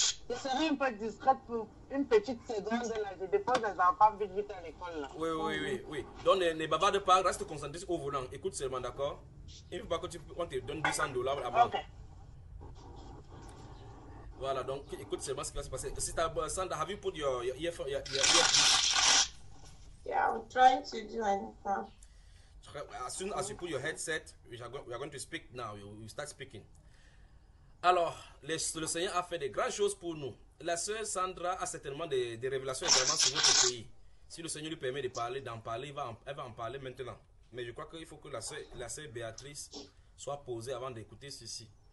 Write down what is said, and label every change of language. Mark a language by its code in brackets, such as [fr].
[fr] Je serai un peu distraite pour une petite seconde là. Je dépose les enfants vite à l'école là. Oui. Donc ne bavarde pas, reste concentré au volant. Écoute seulement, d'accord? Il ne faut pas que on te donne $200 à banque. Ok. Voilà, donc écoute seulement ce qui va se passer. [en] Si t'as Sandra, have you put your earphone? Yeah, I'm trying to do anything. As soon as you put your headset, we are going to speak now. You start speaking. [fr] Alors, le Seigneur a fait des grandes choses pour nous. La sœur Sandra a certainement des révélations également sur notre pays. Si le Seigneur lui permet de parler, d'en parler, elle va en parler maintenant. Mais je crois qu'il faut que la sœur Béatrice soit posée avant d'écouter ceci.